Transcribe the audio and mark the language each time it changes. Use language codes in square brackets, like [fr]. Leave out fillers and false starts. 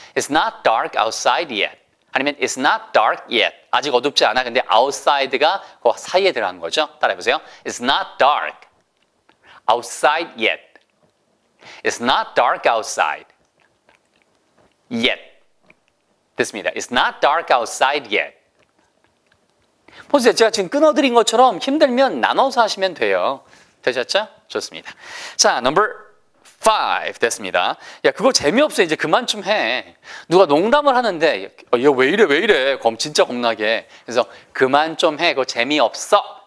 [en] It's not dark outside yet. 아니면 it's not dark yet. [ko] 아직 어둡지 않아. 근데 outside가 그 사이에 들어간 거죠. 따라해보세요. [en] It's not dark outside yet. It's not dark outside yet. [ko] 됐습니다. [en] It's not dark outside yet. [ko] 보세요. 제가 지금 끊어드린 것처럼 힘들면 나눠서 하시면 돼요. 되셨죠? 좋습니다. 자, [en] number 5 [ko] 됐습니다. 야, 그거 재미없어. 이제 그만 좀 해. 누가 농담을 하는데, 야, 왜 이래? 검 진짜 겁나게. 그래서 그만 좀 해. 그거 재미없어.